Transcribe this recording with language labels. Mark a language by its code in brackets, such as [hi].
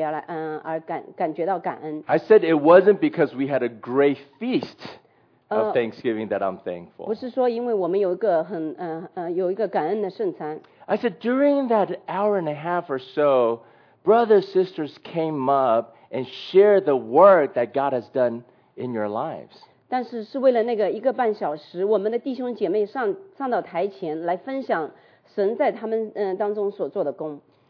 [zh] 我和他说，我不是说为了感恩节而感觉到感恩。 [en] I said it wasn't because we had a great feast of Thanksgiving that I'm thankful. [zh] 不是说因为我们有一个感恩的圣餐。 [en] I said during that hour and a half or so, brothers and sisters came up and shared the work that God has done in your lives. [zh] 但是是为了那个一个半小时，我们的弟兄姐妹上到台前来分享神在他们当中所做的工。